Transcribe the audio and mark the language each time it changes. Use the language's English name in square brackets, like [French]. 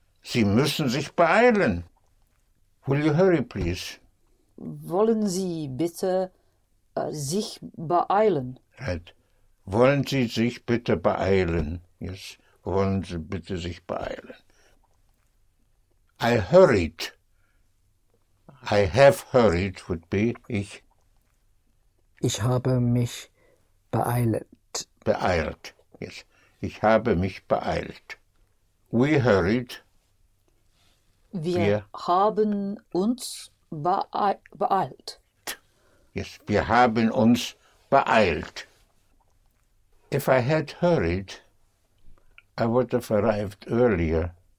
[German] Sie müssen sich beeilen. [English] Will you hurry, please? [German] Wollen Sie bitte sich beeilen? [English] Right. [German] Wollen Sie sich bitte beeilen? Yes. Wollen Sie bitte sich beeilen? [English] I hurried. I have hurried would be ich. [German] Ich habe mich beeilt. Beeilt, yes. Ich habe mich beeilt. [English] We hurried. [German] Wir haben uns beeilt. Yes, wir haben uns beeilt. [English] If I had hurried, I would have arrived earlier.